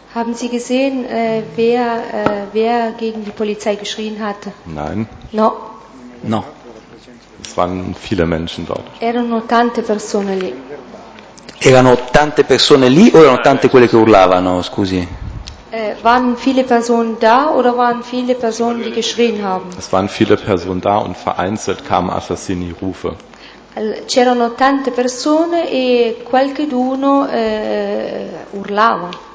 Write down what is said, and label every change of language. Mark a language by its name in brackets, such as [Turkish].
[German] Haben Sie gesehen, wer gegen die Polizei geschrien hat? Nein. [Italian] No. No. [German] Es waren viele Menschen dort. [Italian] Erano tante persone lì. Erano tante persone lì o erano tante quelle che urlavano, scusi? [German] Waren viele Personen da oder waren viele Personen, die geschrien haben? Es waren viele Personen da und vereinzelt kamen Assassini-Rufe. [Italian] C'erano tante persone e qualcheduno urlava.